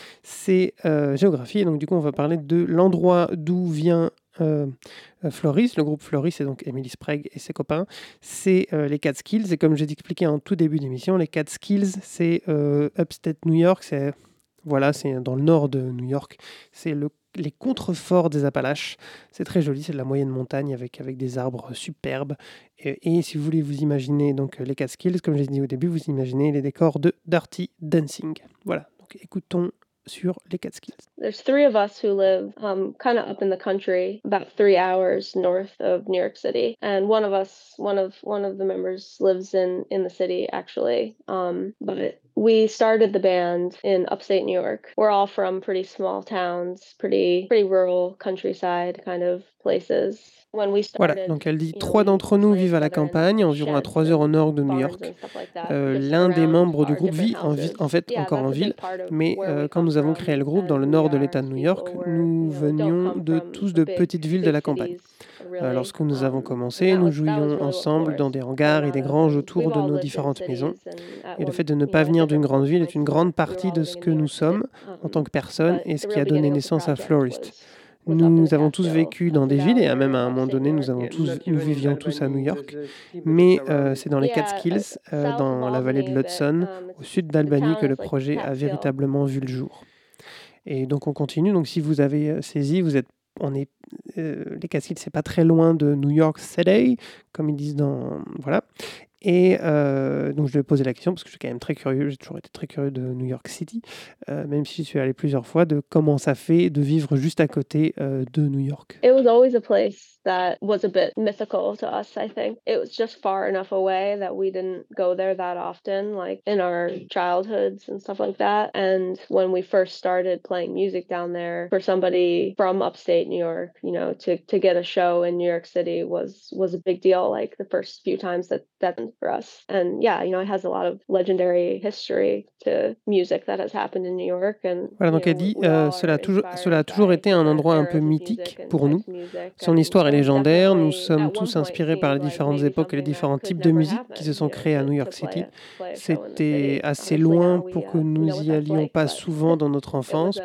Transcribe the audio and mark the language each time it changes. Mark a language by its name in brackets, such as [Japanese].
[French] C'est géographie, et donc du coup, on va parler de l'endroit d'où vient Floris, le groupe Floris, c'est donc Emily Sprague et ses copains, c'est les Catskills, et comme j'ai expliqué en tout début d'émission, les Catskills, c'est Upstate New York, c'est, voilà, c'est dans le nord de New York, c'est les contreforts des Appalaches, c'est très joli, c'est de la moyenne montagne avec des arbres superbes, et si vous voulez vous imaginer donc, les Catskills, comme j'ai dit au début, vous imaginez les décors de Dirty Dancing. Voilà, donc écoutons sur les Catskills. [English] There's three of us who live kind of up in the country, about 3 hours north of New York City, and one of the members lives in the city actually. But we started the band in upstate New York. We're all from pretty small towns, pretty rural countryside kind of places. [French] Voilà, donc elle dit, trois d'entre nous vivent à la campagne, environ à 3 heures au nord de New York. L'un des membres du groupe vit en fait encore en ville, mais quand nous avons créé le groupe dans le nord de l'État de New York, nous venions tous de petites villes de la campagne. Lorsque nous avons commencé, nous jouions ensemble dans des hangars et des granges autour de nos différentes maisons. Et le fait de ne pas venir d'une grande ville est une grande partie de ce que nous sommes en tant que personnes et ce qui a donné naissance à Florist. Nous avons tous vécu dans des villes et même à un moment donné, nous vivions tous à New York. Mais c'est dans les Catskills, dans la vallée de l'Hudson, au sud d'Albany, que le projet a véritablement vu le jour. Et donc on continue. Donc si vous avez saisi, les Catskills, c'est pas très loin de New York City, comme ils disent dans voilà. Et donc je vais poser la question parce que je suis quand même très curieux. J'ai toujours été très curieux de New York City, même si je suis allé plusieurs fois, de comment ça fait de vivre juste à côté de New York. [English] It was always a place that was a bit mythical to us. I think it was just far enough away that we didn't go there that often, like in our childhoods and stuff like that. And when we first started playing music down there, for somebody from upstate New York, you know, to get a show in New York City was a big deal. Like the first few times that for us. And yeah, you know, it has a lot of legendary history to music that has happened in New York. And [French] voilà, donc elle dit, cela a toujours été un endroit un peu mythique pour nous. Son histoire est légendaire. Nous sommes tous inspirés par les différentes époques et les différents types de musique qui se sont créés à New York City. C'était assez loin pour que nous y allions pas souvent dans notre enfance.